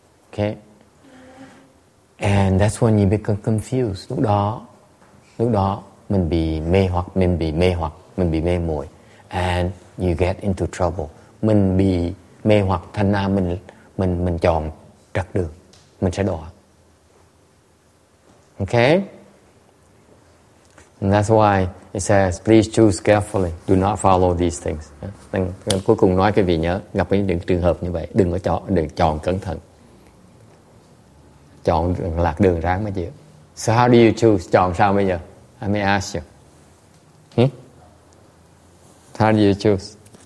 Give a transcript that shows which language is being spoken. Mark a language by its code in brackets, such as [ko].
[en] Okay. And that's when you become confused. [vi] Lúc đó mình bị mê hoặc, mình bị mê muội. [en] And you get into trouble. [vi] Mình bị mê hoặc, thành ra mình chọn trật đường, mình sẽ đọa. [en] Okay? And that's why it says, please choose carefully. Do not follow these things. [vi] Cuối cùng nói cái vị nhớ, gặp những trường hợp như vậy, đừng có chọn, đừng chọn cẩn thận. Chọn lạc đường ráng mới chịu. [en] So how do you choose? [vi] Chọn sao bây giờ? [en] I may ask you. How do you choose?